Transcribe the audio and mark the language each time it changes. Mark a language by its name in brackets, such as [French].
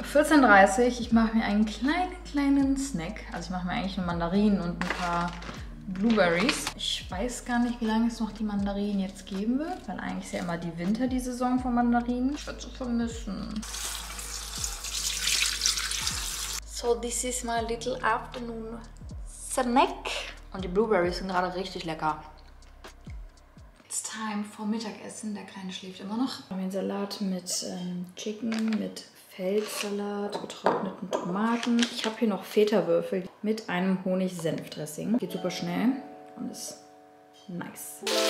[German] 14:30 Uhr. Ich mache mir einen kleinen Snack. Also ich mache mir eigentlich eine Mandarinen und ein paar Blueberries. Ich weiß gar nicht, wie lange es noch die Mandarinen jetzt geben wird, weil eigentlich ist ja immer die Winter die Saison von Mandarinen. Ich werde sie vermissen. [English] So, this is my little afternoon snack. [German] Und die Blueberries sind gerade richtig lecker. [English] It's time for [German] Mittagessen. Der Kleine schläft immer noch. Wir haben einen Salat mit Chicken, mit Feldsalat, getrockneten Tomaten. Ich habe hier noch Feta-Würfel mit einem Honig-Senf-Dressing. Geht super schnell und ist nice.